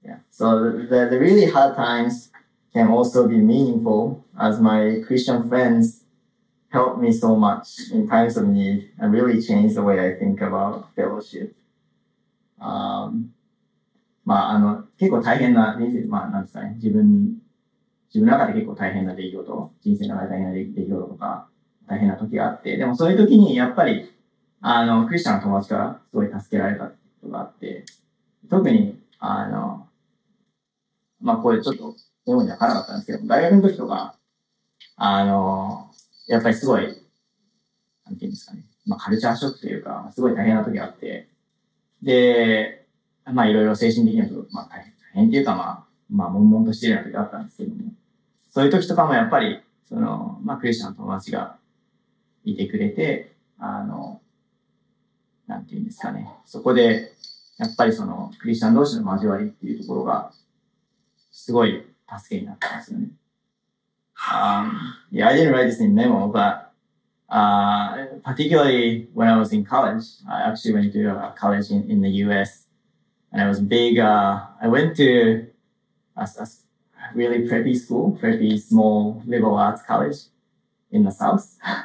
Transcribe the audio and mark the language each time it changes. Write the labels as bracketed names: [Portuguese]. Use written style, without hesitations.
[English] So the really hard times can also be meaningful as my Christian friends helped me so much in times of need and really changed the way I think about fellowship. [Japanese] まあ、結構大変な人生、まあ、なんですかね。自分の中で結構大変な出来事、人生の中で大変な出来事とか、大変な時があって、でもそういう時に、やっぱり、クリスチャンの友達からすごい助けられたことがあって、特に、まあ、これちょっと、そういうのにはからなかったんですけど、大学の時とか、やっぱりすごい、なんていうんですかね。まあ、カルチャーショックというか、すごい大変な時があって、で、まあいろいろ精神的なと、まあ大変っていうかまあ悶々としてるような時があったんですけども、そういう時とかもやっぱり、まあクリスチャンの友達がいてくれて、なんていうんですかね。そこで、やっぱりクリスチャン同士の交わりっていうところが、すごい助けになったんですよね。 [English] yeah, I didn't write this in memo, but, particularly when I was in college, I actually went to a college in the US. And I was big, I went to a really preppy school, preppy small liberal arts college in the South.